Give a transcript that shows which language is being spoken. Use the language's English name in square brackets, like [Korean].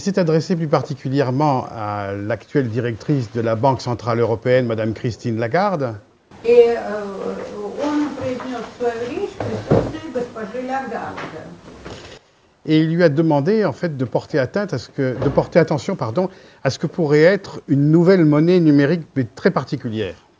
[French] s'est adressé plus particulièrement à l'actuelle directrice de la Banque Centrale Européenne, Madame Christine Lagarde. [Russian] Et он произнес свою речь присутствии госпожи Лагарде. [French] Et il lui a demandé en fait de porter atteinte à ce que, de porter attention, pardon, à ce que pourrait être une nouvelle monnaie numérique mais très particulière.